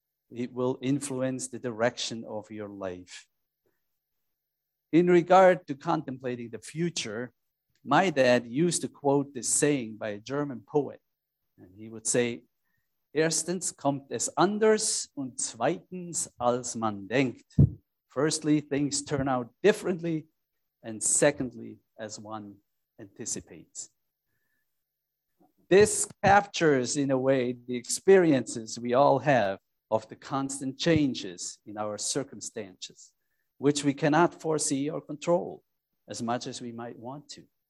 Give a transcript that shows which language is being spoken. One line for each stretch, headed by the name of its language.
English: It will influence the direction of your life. In regard to contemplating the future, my dad used to quote this saying by a German poet. And he would say,
German: erstens kommt es anders und zweitens als man denkt.
English: Firstly, things turn out differently, and secondly, as one anticipates. This captures, in a way, the experiences we all have of the constant changes in our circumstances, which we cannot foresee or control as much as we might want to.